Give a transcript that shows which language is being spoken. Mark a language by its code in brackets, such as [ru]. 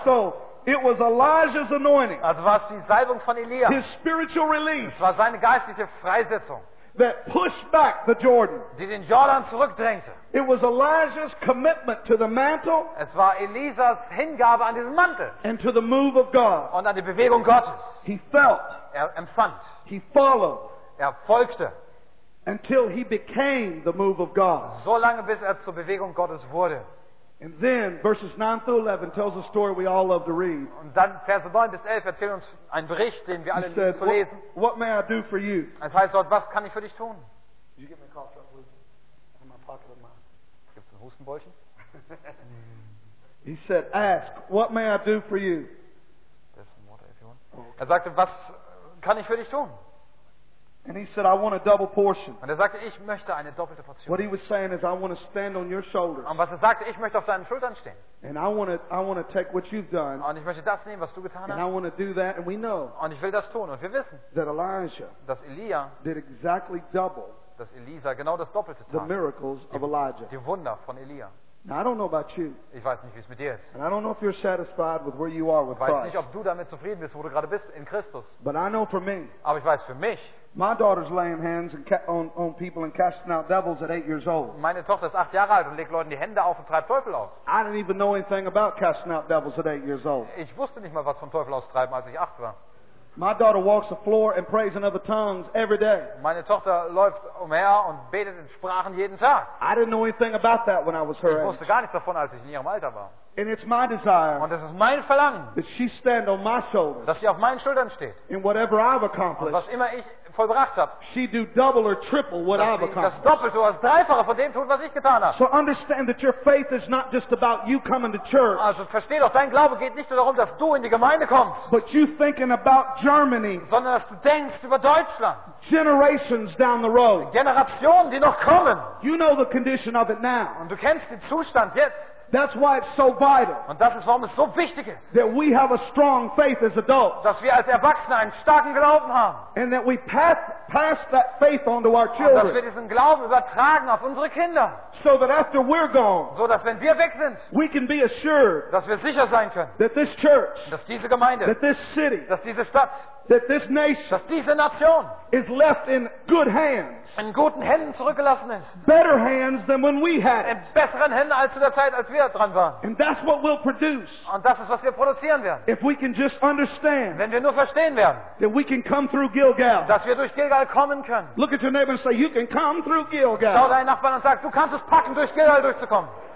[en] So it was Elijah's anointing. [de] Also war es die Salbung von Elia. [en] His spiritual release. [de] Es war seine geistliche Freisetzung. [en] That pushed back the Jordan. [de] Die den Jordan zurückdrängte. [en] It was Elijah's commitment to the mantle. [de] Es war Elisas Hingabe an diesen Mantel. [en] And to the move of God. [de] Und an die Bewegung Gottes. [en] He felt. [de] Er empfand. [en] He followed. [de] Er folgte. [en] Until he became the move of God. [de] So lange, bis er zur Bewegung Gottes wurde. [en] And then verses 9 through 11 tells a story we all love to read. [de] Und dann Verse 9 bis 11 erzählen uns einen Bericht, den wir alle lieben zu lesen. [en] What may I do for you? [de] Das heißt dort, was kann ich für dich tun? [en] Did you give me a cough drop, please? In my pocket of mine. [de] Gibt's ein Hustenbäuchchen? [en] He said, ask, what may I do for you? That's water if you want. [de] Er sagte, was kann ich für dich tun? [en] And he said, I want a double portion. [de] Und sagte, ich möchte eine doppelte Portion. [en] What he was saying is, I want to stand on your shoulders. [de] Und was sagte, ich möchte auf deinen Schultern stehen. [en] And I want to take what you've done. [de] Und ich möchte das nehmen, was du getan and hast. [en] And I want to do that, and we know. [de] Und ich will das tun, und wir wissen. [en] That Elijah. [de] Dass Elia. [en] Did exactly double. [de] Dass Elisa genau das Doppelte tat. [en] The miracles of Elijah. [de] Die Wunder von Elia. [en] Now, I don't know about you. [de] Ich weiß nicht, wie es mit dir ist. [en] And I don't know if you're satisfied with where you are with Christ. [de] Ich weiß nicht, ob du damit zufrieden bist, wo du gerade bist in Christus. [en] But I know for me. [de] Aber ich weiß für mich. [en] My daughter's laying hands on people and casting out devils at 8 years old. [de] Meine Tochter ist 8 Jahre alt und legt Leuten die Hände auf und treibt Teufel aus. [en] I didn't even know anything about casting out devils at 8 years old. [de] Ich wusste nicht mal, was von Teufel austreiben, als ich 8 war. [en] My daughter walks the floor and prays in other tongues every day. [de] Meine Tochter läuft umher und betet in Sprachen jeden Tag. [en] I didn't know anything about that when I was her age. [de] Ich wusste gar nichts davon, als ich in ihrem Alter war. [en] And it's my desire. [de] Und es ist mein Verlangen. [en] That she stand on my shoulders. [de] Dass sie auf meinen Schultern steht. [en] In whatever I've accomplished. [de] Und was immer ich vollbracht habe. [en] She do double or triple what I've accomplished. [de] Das Doppelte oder das Dreifache von dem tut, was ich getan habe. [en] So understand that your faith is not just about you coming to church. [de] Also versteh doch, dein Glaube geht nicht nur darum, dass du in die Gemeinde kommst. [en] But you thinking about Germany. [de] Sondern dass du denkst über Deutschland. [en] Generations down the road. [de] Generationen, die noch kommen. [en] You know the condition of it now. [de] Und du kennst den Zustand jetzt. [en] That's why it's so vital. [de] Und das ist, warum es so wichtig ist. [en] That we have a strong faith as adults. [de] Dass wir als Erwachsene einen starken Glauben haben. [en] And that we pass that faith on to our children. [de] Und dass wir diesen Glauben übertragen auf unsere Kinder. [en] So that after we're gone. [de] So dass wenn wir weg sind. [en] We can be assured. [de] Dass wir sicher sein können. [en] That this church. [de] Dass diese Gemeinde. [en] That this city. [de] Dass diese Stadt. [en] That this nation. [de] Dass diese Nation. [en] Is left in good hands. [de] In guten Händen zurückgelassen ist. [en] Better hands than when we had. [de] In besseren Händen als zu der Zeit, als wir dran waren. [en] And that's what we'll produce. [de] Und das ist, was wir produzieren werden. [en] If we can just understand. [de] Wenn wir nur verstehen werden. [en] That we can come through Gilgal. [de] Dass wir durch Gilgal kommen können. [en] Look at your neighbor and say, you can come through Gilgal. [de] Schau deinen Nachbarn und sag, du kannst es packen, durch Gilgal durchzukommen.